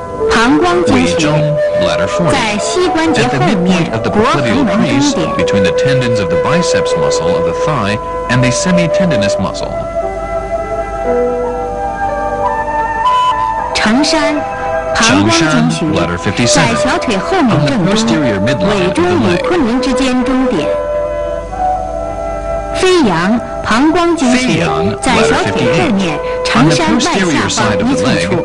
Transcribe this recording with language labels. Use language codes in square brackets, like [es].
[zh] 膀胱经穴在膝关节后面腘横纹中点， [en] between the tendons of the biceps muscle of the thigh and the semitendinous muscle。 [zh] 承山膀胱经穴在小腿后面正中腘中与昆仑之间中点。飞扬膀胱经穴在小腿后面长山外下方一寸处，